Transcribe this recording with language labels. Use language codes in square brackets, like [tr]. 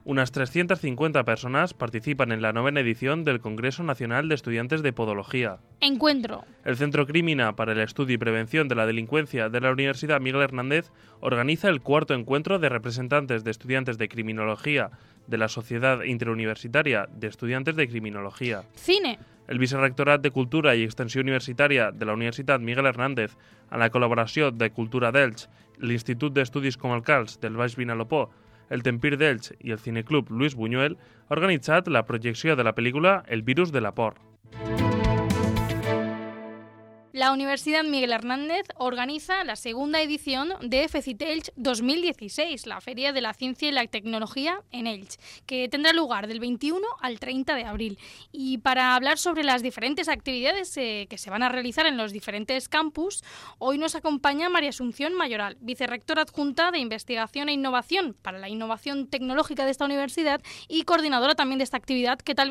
[es] Unas 350 personas participan en la novena edición del Congreso Nacional de Estudiantes de Podología. Encuentro. El Centro Crimina para el Estudio y Prevención de la Delincuencia de la Universidad Miguel Hernández organiza el cuarto encuentro de representantes de estudiantes de criminología de la Sociedad Interuniversitaria de Estudiantes de Criminología. Cine. [ca] El Vicerrectorat de Cultura y Extensió Universitària de la Universitat Miguel Hernández, amb la col·laboració de Cultura d'Elx, l'Institut d'Estudis Comarcals del Baix Vinalopó, el Tempir d'Elx i el Cineclub Luis Buñuel, ha organitzat la projecció de la pel·lícula El virus de la por. [es] La Universidad Miguel Hernández organiza la segunda edición de FECIT Elche 2016, la Feria de la Ciencia y la Tecnología en Elche, que tendrá lugar del 21 al 30 de abril. Y para hablar sobre las diferentes actividades que se van a realizar en los diferentes campus, hoy nos acompaña María Asunción Mayoral, vicerrectora adjunta de Investigación e Innovación para la Innovación Tecnológica de esta universidad y coordinadora también de esta actividad. ¿Qué tal?